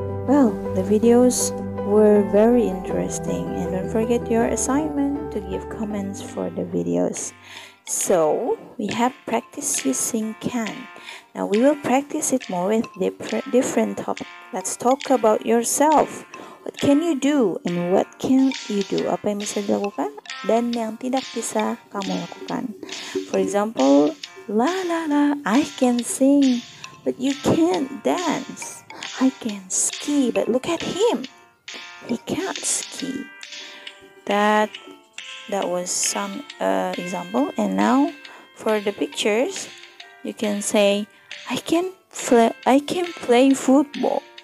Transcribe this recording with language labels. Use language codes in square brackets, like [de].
[en] Well, the videos were very interesting, and don't forget your assignment to give comments for the videos. So, we have practiced using can. Now, we will practice it more with different topics. Let's talk about yourself. What can you do and what can you do? [id] Apa yang bisa dilakukan dan yang tidak bisa kamu lakukan. [en] For example, la la la, I can sing, but you can't dance. I can ski, but look at him. He can't ski. That was some example. And now, for the pictures, you can say, I can play football.